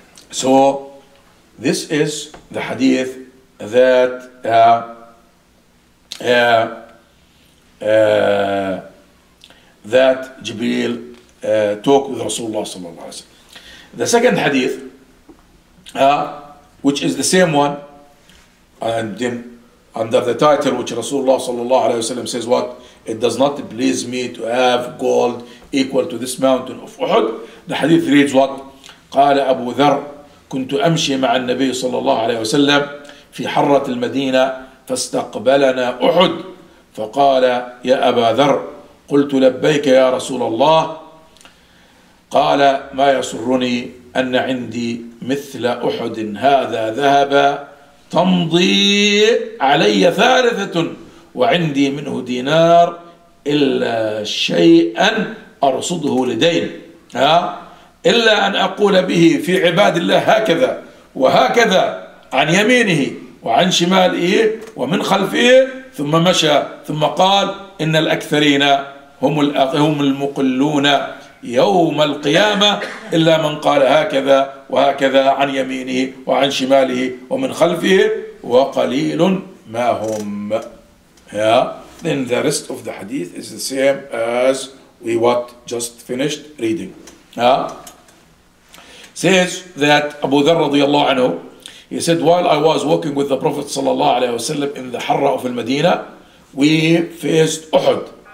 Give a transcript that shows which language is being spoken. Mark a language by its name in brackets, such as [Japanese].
[English] So this is the hadith that that Jibreel talked with Rasulullah sallallahu alaihi wasallam. The second hadith, which is the same one, and then under the title which Rasulullah sallallahu alaihi wasallam says, what? It does not please me to have gold equal to this mountain of Uhud. The hadith reads what? [Arabic] قال أبو ذر كنت أمشي مع النبي صلى الله عليه وسلم في حرة المدينة فاستقبلنا أحد فقال يا أبا ذر قلت لبيك يا رسول الله قال ما يسرني أن عندي مثل أحد هذا ذهبا تمضي علي ثالثة وعندي منه دينار إلا شيئا أرصده لدين إلا أن أقول به في عباد الله هكذا وهكذا عن يمينه وعن شماله ومن خلفه ثم مشى ثم قال إن الأكثرين هم المقلون يوم القيامة إلا من قال هكذا وهكذا عن يمينه وعن شماله ومن خلفه وقليل ما هم. [English] Yeah. Then the rest of the hadith is the same as we what just finished reading. Yeah. Says that Abu Dharr radiallahu anhu, he said, while I was walking with the Prophet sallallahu alayhi wasallam in the Harra of Al-Madina, we faced Uhud.